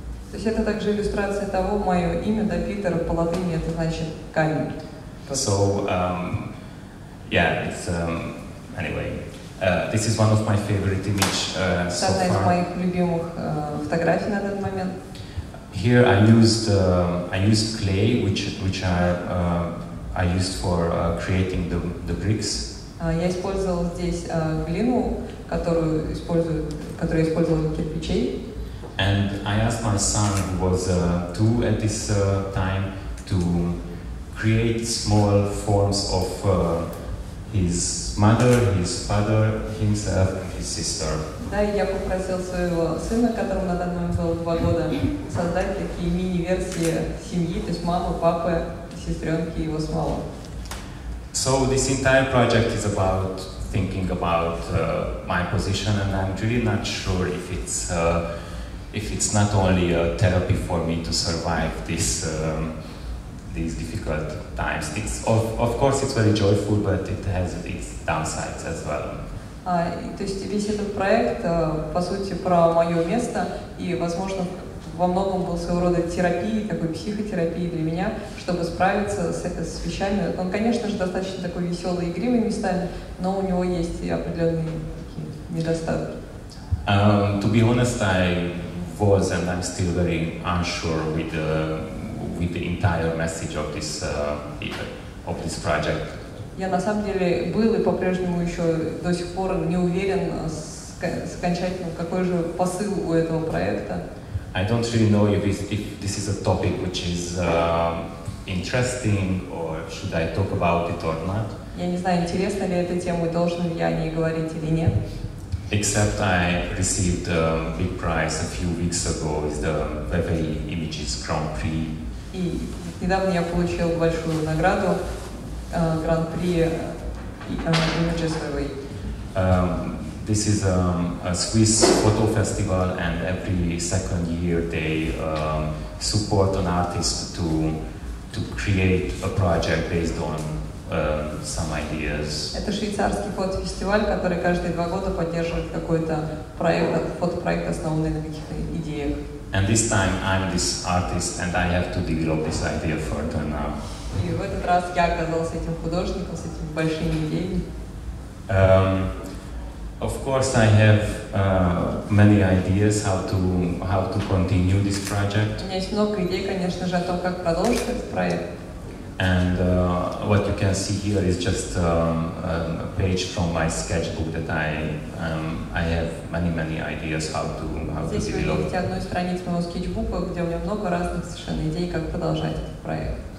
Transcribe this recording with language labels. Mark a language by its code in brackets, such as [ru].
[ru] То есть это также иллюстрация того, мое имя, да, Питер, по латыни это значит камень. [en] So, this is one of my favorite image so far. [ru] Одна из моих любимых фотографий на данный момент. [en] Here I used clay, which I used for creating the bricks. [ru] Я использовал здесь глину, которую использовал для кирпичей. [en] And I asked my son, who was two at this time, to create small forms of his mother, his father, himself, and his sister. [ru] Да, и я попросил своего сына, которому на данный момент было 2 года, создать такие мини-версии семьи, то есть мамы, папы, сестренки и его самого. [en] So this entire project is about thinking about my position, and I'm really not sure if it's not only a therapy for me to survive these difficult times. It's of course it's very joyful, but it has its downsides as well. [ru] То есть весь этот проект, по сути, про мое место и, возможно, во многом был своего рода терапией, такой психотерапией для меня, чтобы справиться с вещами. Он, конечно же, достаточно такой веселый, игривый местами, но у него есть и определенные недостатки. [en] To be honest, I was and I'm still very unsure with the entire message of this project. [ru] Я на самом деле был и по-прежнему еще до сих пор не уверен с окончательным, какой же посыл у этого проекта. [en] I don't really know if this is a topic which is interesting, or should I talk about it or not. [ru] Я не знаю, интересна ли эта тема, должен ли я о ней говорить или нет. [en] Except I received a big prize a few weeks ago, is the Veve Images Grand Prix. [ru] И недавно я получил большую награду. Гран-при имиджа своего. [en] This is a Swiss photo festival, and every second year they support an artist to create a project based on some ideas. [ru] Это швейцарский фотофестиваль, который каждые 2 года поддерживает какой-то проект, фотопроект, основанный на каких-то идеях. [en] And this time I'm this artist, and I have to develop this idea further now. [ru] И в этот раз я оказался этим художником, с этими большими идеями. [en] Of course, I have many ideas how to continue this project. [ru] У меня есть много идей, конечно же, о том, как продолжить этот проект. [en] And what you can see here is just a page from my sketchbook that I have many ideas how to develop.